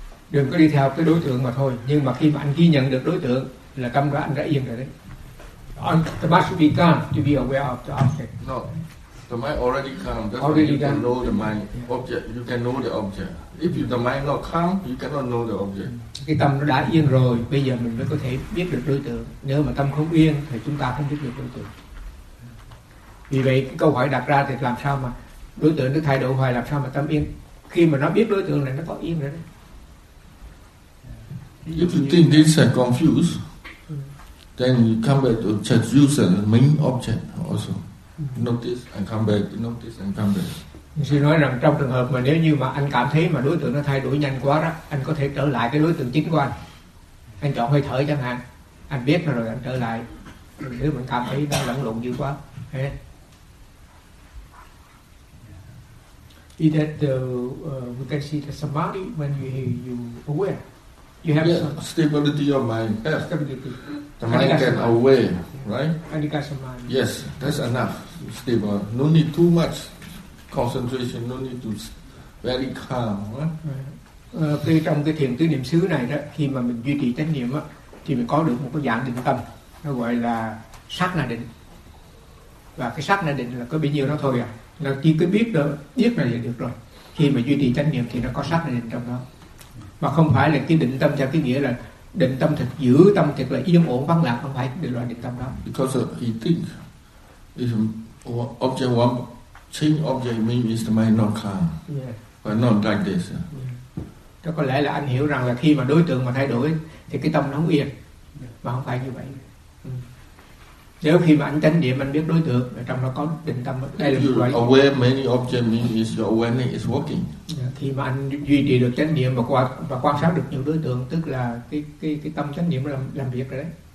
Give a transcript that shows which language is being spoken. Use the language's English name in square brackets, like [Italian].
[Vietnamese] Đừng có đi theo cái đối tượng mà thôi. Nhưng mà khi mà anh ghi nhận được đối tượng là tâm đó anh đã yên rồi đấy. [English] The mind should be calm to be aware of the object. No, the mind already calm. That's already why you can know the mind. Yeah. Object, you can know the object. If the mind not calm, you cannot know the object. [Vietnamese] Cái tâm nó đã yên rồi, bây giờ mình mới có thể biết được đối tượng. Nếu mà tâm không yên, thì chúng ta không biết được đối tượng. Vì vậy, cái câu hỏi đặt ra thì làm sao mà đối tượng nó thay đổi hoài, làm sao mà tâm yên? Khi mà nó biết đối tượng này, nó có yên rồi đấy. [English] If you think this is confused, then you come back to choose the main object also. Notice and come back. [Vietnamese] Sư nói rằng trong trường hợp mà nếu như mà anh cảm thấy mà đối tượng nó thay đổi nhanh quá đó, anh có thể trở lại cái đối tượng chính của anh. Anh chọn hơi thở chẳng hạn, anh biết rồi anh trở lại. Nếu mình cảm thấy nó lẫn lộn dữ quá. [English] Is that the, we can see the samadhi when you aware? You have stability of mind. Yes. Stability. The mind can aware, right? Anika samadhi. Yes, that's enough. Stable. No need too much. Concentration, no need to very calm. [Vietnamese] Khi trong cái thiền tứ niệm xứ này đó, khi mà mình duy trì chánh niệm á, thì mình có được một cái dạng định tâm, nó gọi là sát na định. Và cái sát na định là có bao nhiêu đó thôi à? Nó chỉ cứ biết đó, biết là được rồi. Khi mà duy trì chánh niệm thì nó có sát na định trong đó. Mà không phải là cái định tâm theo cái nghĩa là định tâm thật giữ tâm thật là yên ổn vắng lặng, không phải cái loại định tâm đó. [English] Because he think is object one. Change object means is the mind not calm, but not like this. [Vietnamese] Đó có lẽ là anh hiểu rằng là khi mà đối tượng mà thay đổi thì cái tâm nó không yên, mà không phải như vậy. Nếu khi mà anh chánh niệm anh biết đối tượng, trong nó có định tâm. Đây là [English] you're aware many object means is your awareness is working. [Vietnamese] Khi mà anh duy trì được chánh niệm và quan sát được nhiều đối tượng, tức là cái tâm chánh niệm làm việc rồi đấy.